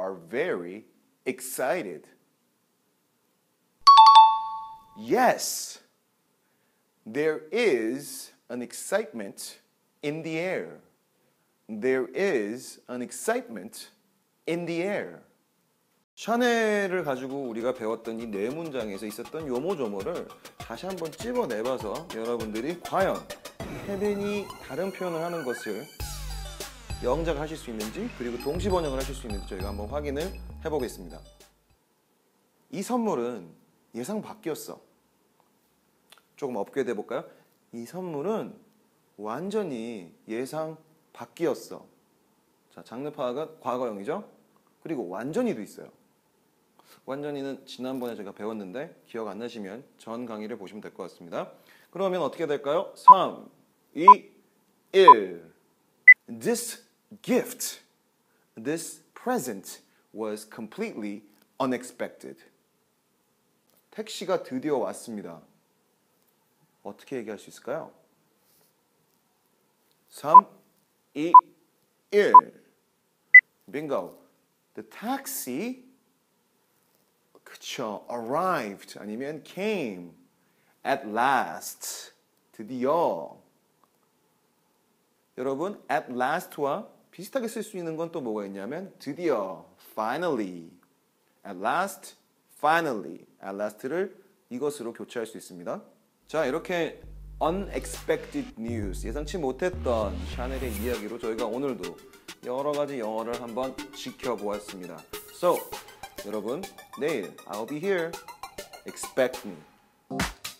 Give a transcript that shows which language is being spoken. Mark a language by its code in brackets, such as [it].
[en] 'People are very excited.' Yes, there is an excitement in the air. There is an excitement in the air. [ko] 샤넬을 가지고 우리가 배웠던 이 네 문장에서 있었던 요모조모를 다시 한번 집어내봐서 여러분들이 과연 헤빈이 다른 표현을 하는 것을 영작하실 수 있는지 그리고 동시번역을 하실 수 있는지 저희가 한번 확인을 해보겠습니다. 이 선물은 예상 밖이었어. 조금 업그레이드 해볼까요? 이 선물은 완전히 예상 바뀌었어. 자, 장르 파악은 과거형이죠? 그리고 완전히도 있어요. 완전히는 지난번에 제가 배웠는데 기억 안 나시면 전 강의를 보시면 될 것 같습니다. 그러면 어떻게 될까요? 3, 2, 1. [en] This gift, this present was completely unexpected. [ko] 택시가 드디어 왔습니다. 어떻게 얘기할 수 있을까요? [en] 3, 2, 1. Bingo. The taxi, 그쵸, arrived, 아니면 came at last, 드디어. [ko] 여러분, at last와 비슷하게 쓸 수 있는 건 또 뭐가 있냐면 드디어, finally, at last, finally, at last를 이것으로 교체할 수 있습니다. 자, 이렇게 unexpected news, 예상치 못했던 샤넬의 이야기로 저희가 오늘도 여러 가지 영어를 한번 지켜보았습니다. [en] So, [ko] 여러분, 내일 [en] I'll be here. Expect me.